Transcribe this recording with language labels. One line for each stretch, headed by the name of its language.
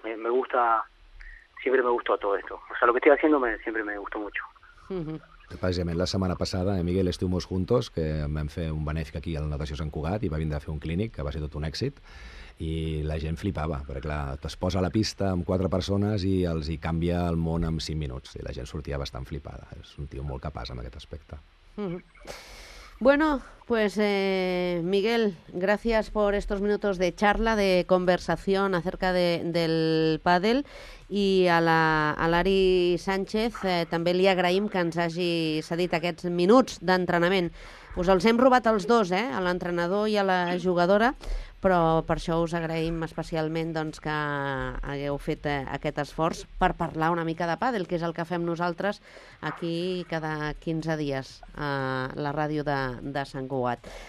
Spanish: Me gusta, siempre me gustó todo esto. O sea, lo que estoy haciendo siempre me gustó mucho.
Catalan: Precisament la setmana passada, Miguel, estuvim juntos, que vam fer un benèfic aquí a la Natació Sant Cugat i va vindre a fer un clínic, que va ser tot un èxit. I la gent flipava, perquè clar, es posa a la pista amb 4 persones i els hi canvia el món en 5 minuts. I la gent sortia bastant flipada. És un tio molt capaç en aquest aspecte. Mm-hmm.
Spanish: Bueno, pues Miguel, gracias por estos minutos de charla, de conversación acerca del pádel.
Catalan: I a l'Ari Sánchez també li agraïm que ens hagi cedit aquests minuts d'entrenament. Us els hem robat els dos, a l'entrenador i a la jugadora, però per això us agraïm especialment doncs, que hagueu fet aquest esforç per parlar una mica de pàdel, que és el que fem nosaltres aquí cada 15 dies a la ràdio de Sant Cugat.